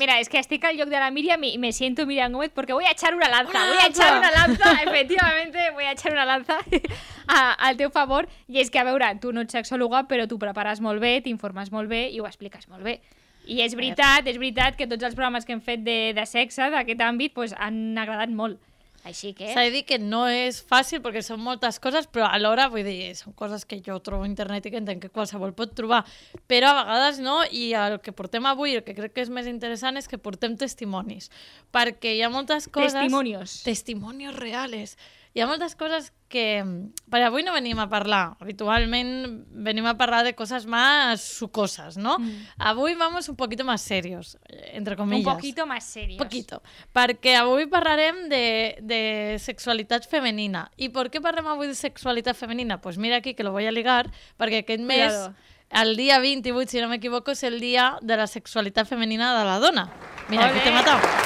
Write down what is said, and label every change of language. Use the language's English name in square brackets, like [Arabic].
[Catalan] Mira, és que estic al lloc de la Miriam i [Spanish] me siento [Catalan] Miriam Gómez perquè [Spanish] voy a echar una lanza. Voy a echar una lanza, efectivamente, voy a echar una lanza [Catalan] al teu favor. I és que, a veure, tu no ets sexòloga, però tu prepares molt bé, t'informes molt bé i ho expliques molt bé. I és veritat que tots els programes que hem fet de sexe d'aquest àmbit pues, han agradat molt. Així que... S'ha de dir que no és fàcil perquè són moltes coses, però alhora, vull dir, són coses que jo trobo a internet i que entenc que qualsevol pot trobar, però a vegades no, i el que portem avui, el que crec que és més interessant és que portem testimonis, perquè hi ha moltes coses... [Spanish] Testimonios. Testimonios reales. [Catalan] Hi ha moltes coses que... Perquè avui no venim a parlar, habitualment venim a parlar de coses més sucoses, no? Mm. Avui [Spanish] vamos un poquito más serios, entre comillas. Un poquito más serios. Poquito. [Catalan] Perquè avui parlarem de sexualitat femenina. I per què parlem avui de sexualitat femenina? [Spanish] Pues mira aquí, que lo voy a ligar, [Catalan] perquè aquest mes, el dia 28, si no m'equivoco, és el dia de la sexualitat femenina de la dona. Mira, aquí t'he matat.